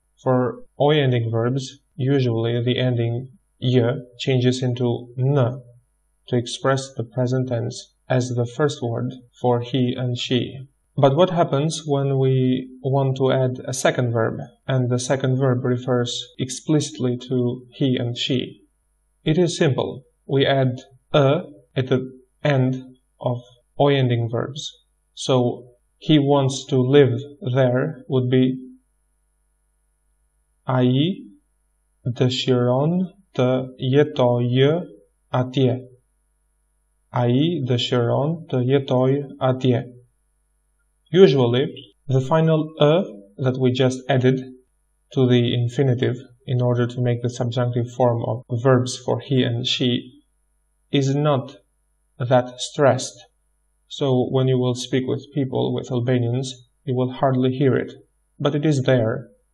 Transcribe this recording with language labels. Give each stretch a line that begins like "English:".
English: For oi-ending verbs, usually the ending je changes into n to express the present tense as the first word for he and she. But what happens when we want to add a second verb, and the second verb refers explicitly to he and she? It is simple. We add a at the end of oi-ending verbs. So he wants to live there would be
Albanian: ai dëshiron të jetojë atje. Ai dëshiron të jetojë atje.
English: Usually, the final ë that we just added to the infinitive in order to make the subjunctive form of verbs for he and she is not that stressed. So when you will speak with people, with Albanians, you will hardly hear it. But it is there.